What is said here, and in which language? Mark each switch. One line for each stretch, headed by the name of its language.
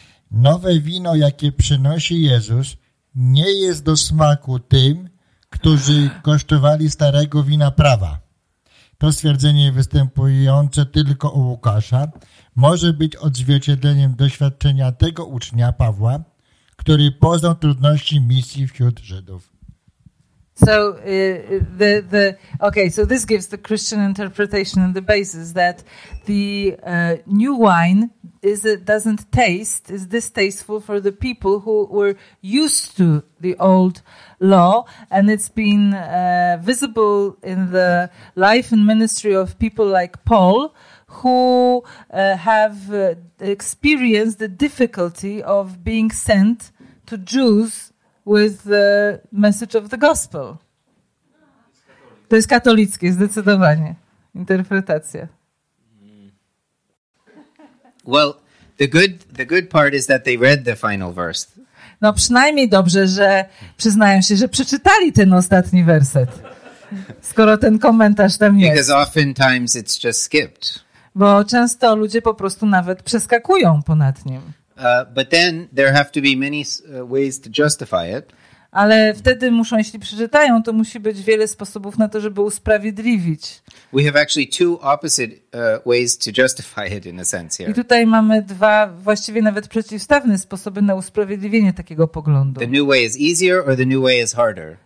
Polish: Nowe wino, jakie przynosi Jezus, nie jest do smaku tym, którzy kosztowali starego wina prawa. To stwierdzenie występujące tylko u Łukasza może być odzwierciedleniem doświadczenia tego ucznia Pawła, który poznał trudności misji wśród Żydów.
English: So the okay, so this gives the Christian interpretation and the basis that the new wine is it doesn't taste is distasteful for the people who were used to the old law, and it's been visible in the life and ministry of people like Paul, who have experienced the difficulty of being sent to Jews with the message of the gospel.
Polish: To jest katolickie, zdecydowanie. Interpretacja.
English: Well, the good part is that they read the final verse.
Polish: No przynajmniej dobrze, że przyznają się, że przeczytali ten ostatni werset. Skoro ten komentarz tam jest.
English: Because oftentimes it's just skipped.
Polish: Bo często ludzie po prostu nawet przeskakują ponad nim.
English: But then there have to be many ways to justify it.
Polish: Ale wtedy muszą, jeśli przeczytają, to musi być wiele sposobów na to, żeby usprawiedliwić.
English: We have actually two opposite ways to justify it in a sense here.
Polish: I tutaj mamy dwa właściwie nawet przeciwstawne sposoby na usprawiedliwienie takiego poglądu.
English: The new way is easier or the new way is harder.